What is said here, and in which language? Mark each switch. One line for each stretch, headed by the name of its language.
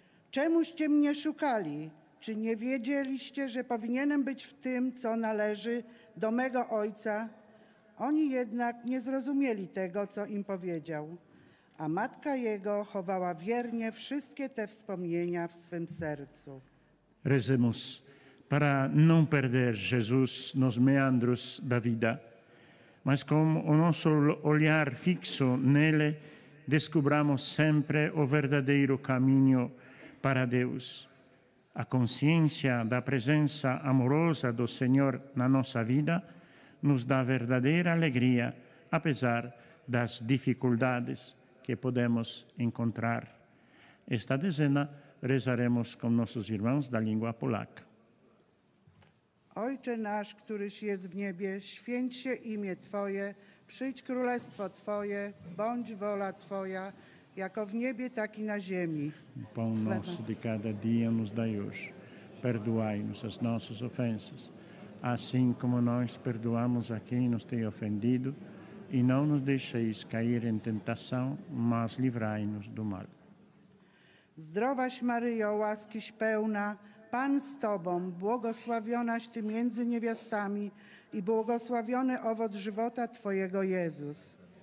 Polish: Czemuście mnie szukali? Czy nie wiedzieliście, że powinienem być w tym, co należy do mego ojca? Oni jednak nie zrozumieli tego, co im powiedział. A matka jego chowała wiernie wszystkie te wspomnienia w swym sercu.
Portuguese: Rezemus, para non perder Jesús nos meandros da vida, mas com o nosso olhar fixo nele, descubramos sempre o verdadeiro caminho para Deus. A consciência da presença amorosa do Senhor na nossa vida nos dá verdadeira alegria, apesar das dificuldades que podemos encontrar. Esta dezena rezaremos com nossos irmãos da língua polaca.
Polish: Ojcze nasz, któryś jest w niebie, święć się imię Twoje, przyjdź królestwo Twoje, bądź wola Twoja, jako w niebie, tak i na ziemi.
Portuguese: Pão nosso de cada dia nos dai hoje, perdoai-nos as nossas ofensas, assim como nós perdoamos a quem nos tem ofendido, e não nos deixeis cair em tentação, mas livrai-nos do mal.
Polish: Zdrowaś Maryjo, łaskiś pełna, Pan z Tobą, błogosławionaś Ty między niewiastami i błogosławiony owoc żywota Twojego, Jezus.